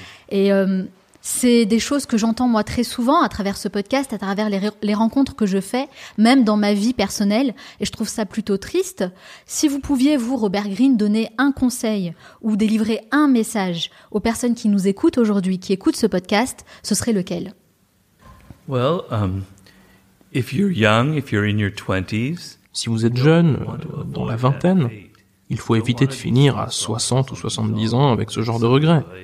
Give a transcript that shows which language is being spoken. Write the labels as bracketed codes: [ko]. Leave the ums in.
[fr] Et euh, c'est des choses que j'entends moi très souvent à travers ce podcast, à travers les, re- les rencontres que je fais, même dans ma vie personnelle, et je trouve ça plutôt triste. Si vous pouviez, vous, Robert Greene, donner un conseil ou délivrer un message aux personnes qui nous écoutent aujourd'hui, qui écoutent ce podcast, ce serait lequel [en] Well, um, if you're young, if you're in your 20s, [fr] Si vous êtes jeune, euh, dans la vingtaine, il faut éviter de finir à 60 ou 70 ans avec ce genre de regrets.